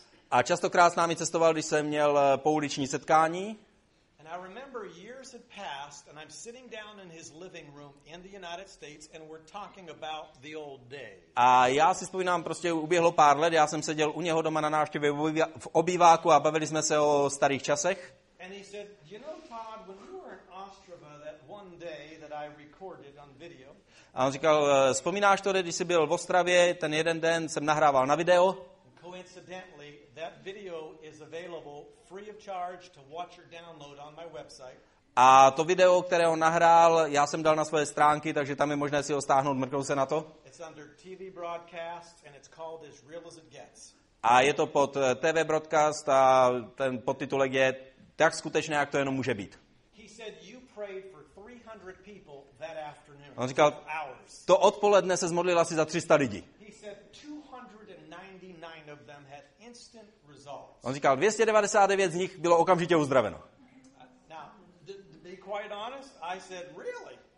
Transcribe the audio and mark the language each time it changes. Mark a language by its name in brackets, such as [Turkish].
[Czech] A častokrát s námi cestoval, když jsem měl pouliční setkání. [English] And I remember years had passed and I'm sitting down in his living room in the United States and we're talking about the old days. [Czech] A já si vzpomínám, prostě uběhlo pár let, já jsem seděl u něho doma na návštěvě v obýváku a bavili jsme se o starých časech. [English] And he said, "You know, Todd, when we were in Ostrava that one day that I recorded on video." [Czech] A on říkal, "Vzpomínáš to, když jsi byl v Ostravě, ten jeden den jsem nahrával na video?" [English] Coincidentally, that video is available free of charge to watch or download on my website. [Czech] A to video, které on nahrál, já jsem dal na svoje stránky, takže tam je možné si ho stáhnout, mrknout se na to. [English] It's under TV broadcast and it's called As Real as It Gets. [Czech] A je to pod TV broadcast a ten podtitulek je Tak skutečné, jak to jenom může být. [English] He said you prayed for 300 people that afternoon. [Czech] On říkal, to odpoledne se zmodlil asi za 300 lidí. [English] He said 299 of them had instant results. [Czech] On říkal, 299 z nich bylo okamžitě uzdraveno. [English] Now, to be quite honest, I said, really?